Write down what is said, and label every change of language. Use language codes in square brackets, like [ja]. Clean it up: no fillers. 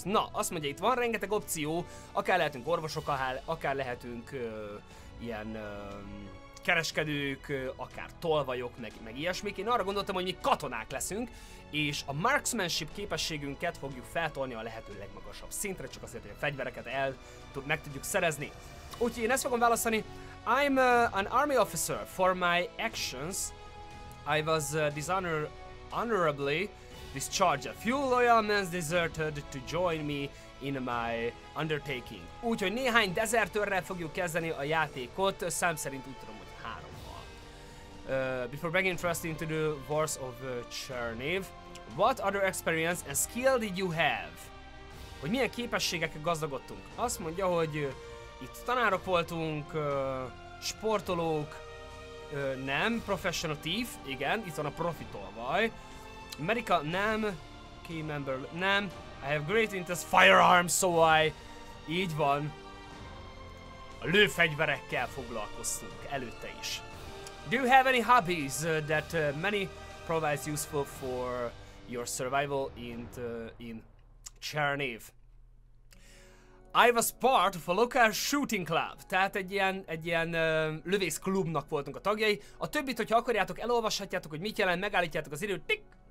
[hu] Na, azt mondja, itt van rengeteg opció, akár lehetünk orvosok, akár lehetünk ilyen kereskedők, akár tolvajok, meg ilyesmik. Én arra gondoltam, hogy mi katonák leszünk, és a marksmanship képességünket fogjuk feltolni a lehető legmagasabb szintre, csak azért, hogy a fegyvereket meg tudjuk szerezni. Úgyhogy én ezt fogom választani. [en] I'm an army officer. For my actions, I was honorably discharged. A few loyal men deserted to join me in my undertaking. [hu] Úgyhogy néhány dezertőrrel fogjuk kezdeni a játékot, szám szerint úgy tudom, hogy hárommal. [en] Before being thrust into the wars of Cherniv, what other experience and skill did you have? [hu] Hogy milyen képességekkel gazdagodtunk? Azt mondja, hogy itt tanárok voltunk, sportolók, nem, [en] professional thief, [hu] igen, itt van a profi tolvaj. America, nem, key member, nem. [en] I have great interest firearms, so I... [hu] Így van. A lőfegyverekkel foglalkoztunk előtte is. [en] Do you have any hobbies that many provides useful for your survival in Cherniv? I was part of a local shooting club. [hu] Tehát egy ilyen lövészklubnak voltunk a tagjai. A többit, hogyha akarjátok, elolvashatjátok, hogy mit jelent, megállítjátok az időt, tik!